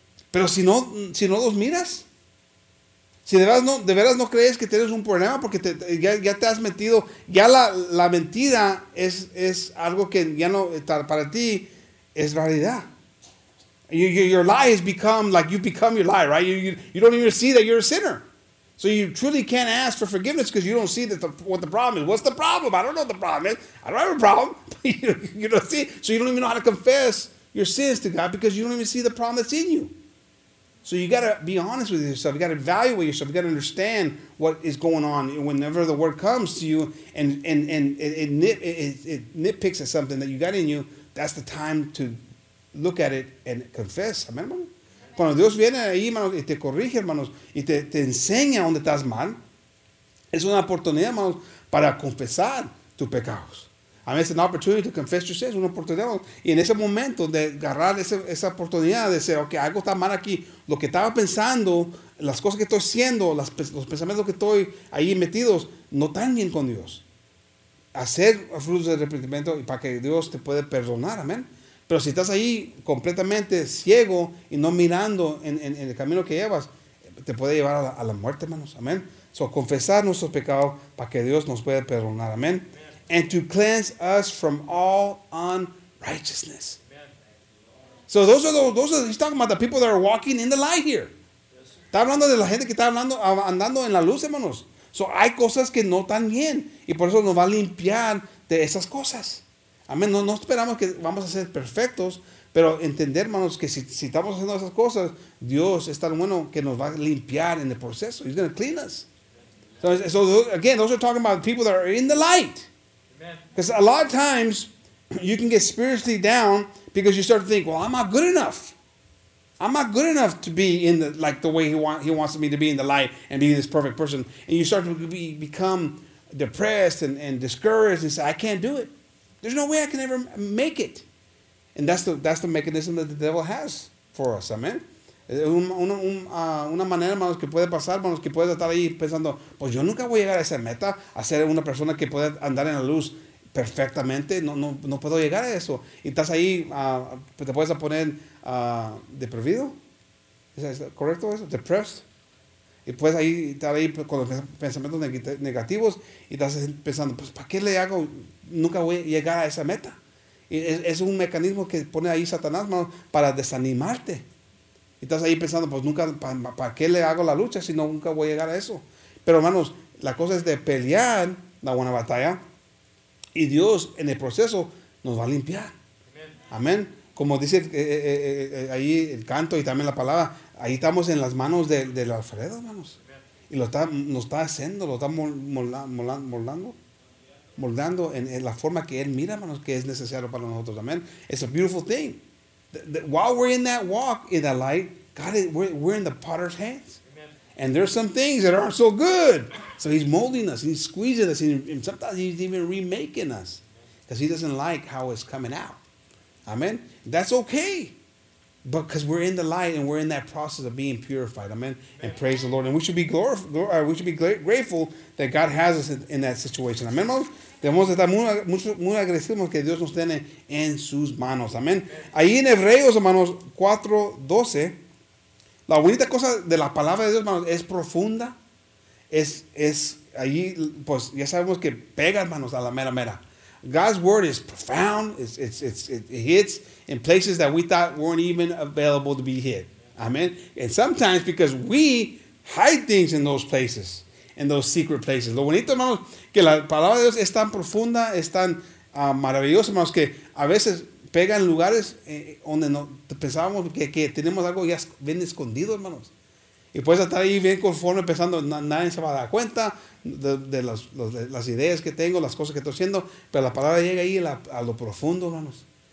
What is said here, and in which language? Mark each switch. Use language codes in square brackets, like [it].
[es] Pero si no los miras, si de veras no crees que tienes un problema, porque ya te has metido, ya la mentira es algo que ya no está para ti, es realidad. [en] Your lie has become like you become your lie, right? You don't even see that you're a sinner. So you truly can't ask for forgiveness because you don't see what the problem is. What's the problem? I don't know what the problem is. I don't have a problem. You don't see. So you don't even know how to confess your sins to God because you don't even see the problem that's in you. So you got to be honest with yourself. You got to evaluate yourself. You got to understand what is going on. Whenever the word comes to you and it nitpicks at something that you got in you, that's the time to look at it and confess. [es] Amen, hermano? Cuando Dios viene ahí, hermanos, y te corrige, hermanos, y te enseña donde estás mal, es una oportunidad, hermanos, para confesar tus pecados. [en] I mean, it's an opportunity to confess your sins. [es] Una oportunidad. Y en ese momento de agarrar esa oportunidad de decir, ok, algo está mal aquí. Lo que estaba pensando, las cosas que estoy haciendo, los pensamientos que estoy ahí metidos, no están bien con Dios. Hacer frutos de arrepentimiento para que Dios te pueda perdonar. Amén. Pero si estás ahí completamente ciego y no mirando en el camino que llevas, te puede llevar a la muerte, hermanos. Amén. So, confesar nuestros pecados para que Dios nos pueda perdonar. [en] Amén. And to cleanse us from all unrighteousness. Amen. So those are he's talking about the people that are walking in the light here. [es] Yes, está hablando de la gente que está andando en la luz, hermanos. So hay cosas que no están bien. Y por eso nos va a limpiar de esas cosas. Amén. No esperamos que vamos a ser perfectos. Pero entender, hermanos, que si estamos haciendo esas cosas, Dios es tan bueno que nos va a limpiar en el proceso. [en] He's going to clean us. So again, those are talking about people that are in the light. Because a lot of times you can get spiritually down because you start to think, well, I'm not good enough. I'm not good enough to be in the like the way he wants me to be in the light and be this perfect person. And you start to become depressed and discouraged and say, I can't do it. There's no way I can ever make it. And that's the mechanism that the devil has for us. Amen. [es] Una manera, hermanos, que puede pasar, hermanos, que puedes estar ahí pensando, pues yo nunca voy a llegar a esa meta, a ser una persona que pueda andar en la luz perfectamente. No puedo llegar a eso. Y estás ahí, te puedes poner deprimido. ¿Es correcto eso? [en] Depressed. [es] Y puedes ahí estar ahí con los pensamientos negativos y estás pensando, pues ¿para qué le hago? Nunca voy a llegar a esa meta. Y es un mecanismo que pone ahí Satanás, hermanos, para desanimarte. Y estás ahí pensando, pues nunca, ¿para qué le hago la lucha si no nunca voy a llegar a eso? Pero hermanos, la cosa es de pelear la buena batalla. Y Dios en el proceso nos va a limpiar. Amén. Como dice ahí el canto y también la palabra, ahí estamos en las manos del Alfredo, hermanos. Y lo está moldando en la forma que él mira, hermanos, que es necesario para nosotros. [en] Amén. It's a beautiful thing. While we're in that walk, in that light, God, we're in the potter's hands. Amen. And there's some things that aren't so good. So he's molding us, he's squeezing us, and sometimes he's even remaking us. Because he doesn't like how it's coming out. Amen? That's okay. Because we're in the light, and we're in that process of being purified. Amen? And praise the Lord. And we should be grateful that God has us in that situation. [es] Amen, hermanos? Debemos estar muy agradecidos que Dios nos tiene en sus manos. Amén. Ahí en Hebreos, hermanos, 4:12, la bonita cosa de la palabra de Dios, hermanos, es profunda. Es ahí, pues ya sabemos que pega, hermanos, a la mera mera. [en] God's word is profound. It hits in places that we thought weren't even available to be hit. Amén. And sometimes because we hide things in those places. In those secret places. [es] Lo bonito, hermanos, que la palabra de Dios es tan profunda, es tan maravillosa, hermanos, que a veces pega en lugares donde no pensábamos que tenemos algo ya bien escondido, hermanos. Y puedes estar ahí bien conforme pensando, nadie se va a dar cuenta de las ideas que tengo, las cosas que estoy haciendo, pero la palabra llega ahí a lo profundo, hermanos.